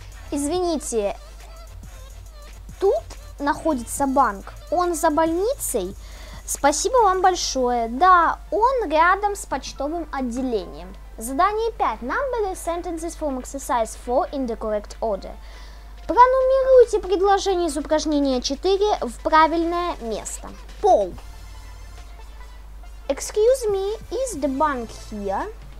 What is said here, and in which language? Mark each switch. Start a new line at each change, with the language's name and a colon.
Russian: Извините, тут находится банк. Он за больницей. Спасибо вам большое. Да, он рядом с почтовым отделением. Задание 5.
English: Number the sentences from exercise 4 in the correct order.
Russian: Пронумеруйте предложение из упражнения 4 в правильное место.
English: Пол. Excuse me, is the bank here?